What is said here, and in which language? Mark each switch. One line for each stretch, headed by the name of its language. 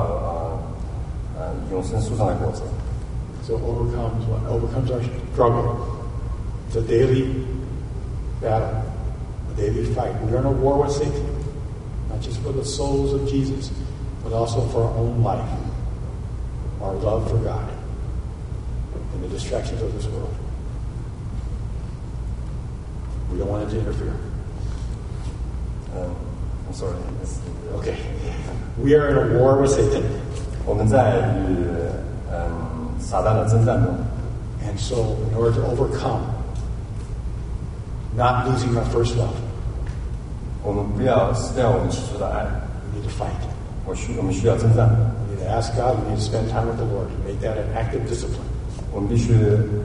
Chinese: 他们也，耶稣也向我们，保证，凡是克服了这胜过世界的，他们将来会得到永生树上的果子。
English: So overcomes what? Overcomes our struggle. It's a daily battle, a daily fight. We are in a war with Satan, not just for the souls of Jesus, but also for our own life, our love for God, and the distractions of this world. We don't want it to interfere. I'm sorry. Okay. We are in a war with Satan.
Chinese: 我们在与撒旦的征战中。
English: And so, in order to overcome, not losing our first love,
Chinese: 我们不要失掉我们起初的爱。
English: We need to fight.
Chinese: 我们需要征战。
English: We need to ask God, we need to spend time with the Lord, make that an active discipline.